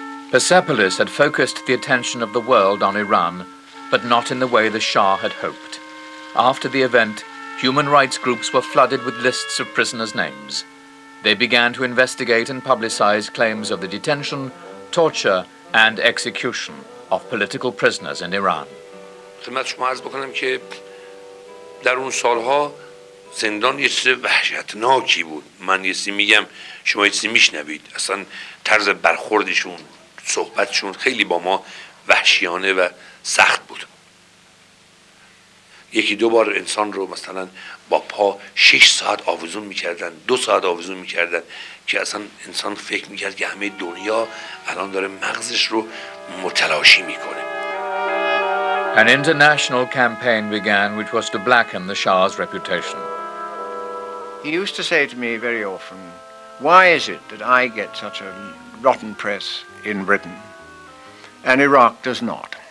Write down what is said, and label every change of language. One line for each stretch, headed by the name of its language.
English: Persepolis had focused the attention of the world on Iran, but not in the way the Shah had hoped. After the event, human rights groups were flooded with lists of prisoners' names. They began to investigate and publicize claims of the detention, torture, and execution of political prisoners in Iran.
Persian: خدمت شما عرض بکنم که در اون سالها زندان یه چیز وحشتناکی بود. من یه چیزی میگم شما یه چیزی میشنوید. اصلا طرز برخوردشون، صحبتشون خیلی با ما وحشیانه و سخت بود. یکی دو بار انسان رو مثلا با پا 6 ساعت آویزون میکردن، 2 ساعت آویزون میکردن که اصلا انسان فکر میکرد که همه دنیا الان داره مغزش رو متلاشی میکنه.
English: An international campaign began which was to blacken the Shah's reputation. He used to say to me very often, why is it that I get such a rotten press in Britain and Iraq does not?